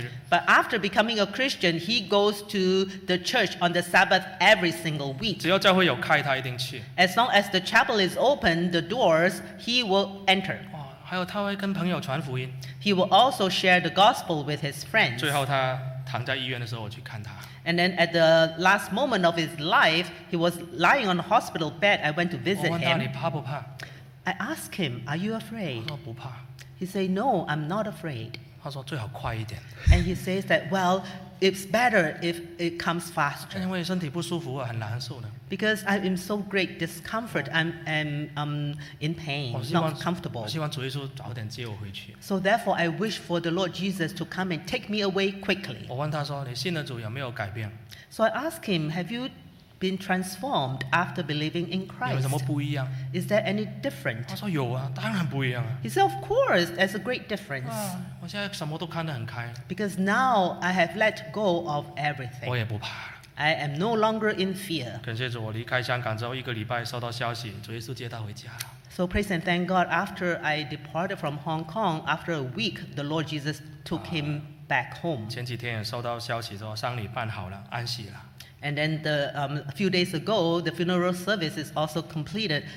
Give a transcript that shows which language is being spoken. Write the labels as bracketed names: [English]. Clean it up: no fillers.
[English] but after becoming a Christian, he goes to the church on the Sabbath every single week. [Chinese] 只要教会有开, [English] as long as the chapel is open, the doors, he will enter. [Chinese] 还有他会跟朋友传福音, [English] he will also share the gospel with his friends. [Chinese] 最后他躺在医院的时候我去看他, [English] and then at the last moment of his life, he was lying on a hospital bed. I went to visit [Chinese] 我问他, [English] him. [Chinese] 你怕不怕? [English] I asked him, are you afraid? [Chinese] 我说不怕。 [English] He said, no, I'm not afraid. [Chinese] 他说最好快一点。 [English] And he says that, well, it's better if it comes faster. [Chinese] 因为身体不舒服啊, 很难受的。 [English] Because I'm in so great discomfort, I'm in pain, [Chinese] 我希望, [English] not comfortable. [Chinese] 我希望主耶稣早点接我回去。 [English] So therefore, I wish for the Lord Jesus to come and take me away quickly. [Chinese] 我问他说, 你信了主有没有改变? [English] So I asked him, have you been transformed after believing in Christ? [Chinese] 有什么不一样? [English] Is there any different? [Chinese] 他说有啊, 当然不一样啊。 [English] He said, of course, there's a great difference. [Chinese] 啊, 我现在什么都看得很开。 [English] Because now I have let go of everything. [Chinese] 我也不怕。 [English] I am no longer in fear. [Chinese] 感谢主，我离开香港之后一个礼拜收到消息，主耶稣接他回家了。 [English] So praise and thank God. After I departed from Hong Kong, after a week, the Lord Jesus took him back home. [Chinese] 前几天也收到消息说丧礼办好了，安息了。 [English] And then a few days ago, the funeral service is also completed.